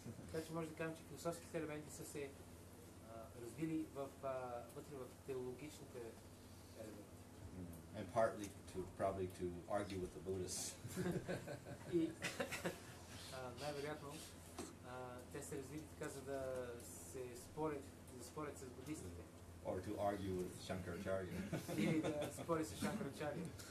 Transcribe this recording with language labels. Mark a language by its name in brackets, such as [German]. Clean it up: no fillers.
[Bulgarian] Така че може да кажем, че философските елементи са се развили вътре в теологичните елементи. [English] And partly to probably to argue with the Buddhists. [Bulgarian] Най-вероятно, те се развили така, за да се спорят с буддистите. [English] Or to argue with Shankaracharya. [Bulgarian] Или да спорят с Shankaracharya.